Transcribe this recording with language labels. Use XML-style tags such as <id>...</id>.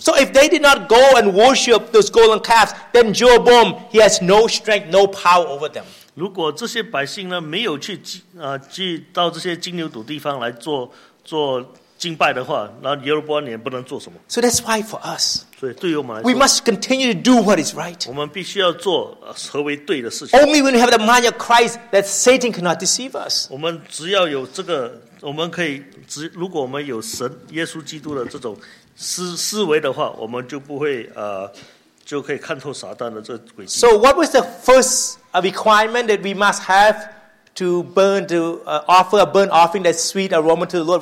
<en>So if they did not go and worship those golden calves, then Jeroboam, he has no strength, no power over them.</en> <zh>如果这些百姓呢没有去祭到这些金牛犊地方来做敬拜的话，那耶路伯安也不能做什么。</zh> <en>So that's why for us.</en> <zh>所以对于我们来说,</zh> <en>we must continue to do what is right.</en> <zh>我们必须要做合为对的事情。</zh> <en>Only when we have the mind of Christ that Satan cannot deceive us.</en> <zh>我们只要有这个 我们可以，如果我们有神耶稣基督的这种思维的话，我们就不会就可以看透撒旦的这诡计。</zh> <en>So what was the first requirement that we must have to burn to offer a burnt offering that's sweet aroma to the Lord?</en>